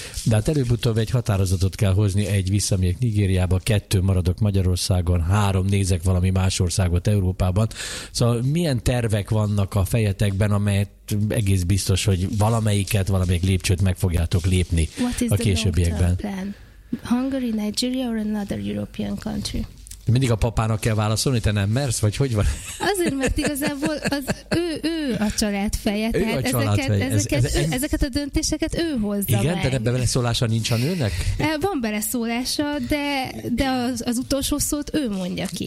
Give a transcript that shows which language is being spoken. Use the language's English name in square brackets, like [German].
[Hungarian] De hát előbb-utóbb egy határozatot kell hozni, egy visszamegyek Nigériába, kettő maradok Magyarországon, három nézek valami más országot Európában. Szóval milyen tervek vannak a fejetekben, amelyet egész biztos, hogy valamelyik lépcsőt meg fogjátok lépni a későbbiekben. [English] Hungary, Nigeria or another European country? [Hungarian] Mindig a papának kell válaszolni, te nem mersz, vagy hogy van? Azért, mert igazából ő a családfeje, tehát ezeket a döntéseket ő hozza. Igen, de ebben beleszólása nincs a nőnek? Van beleszólása, de az utolsó szót ő mondja ki.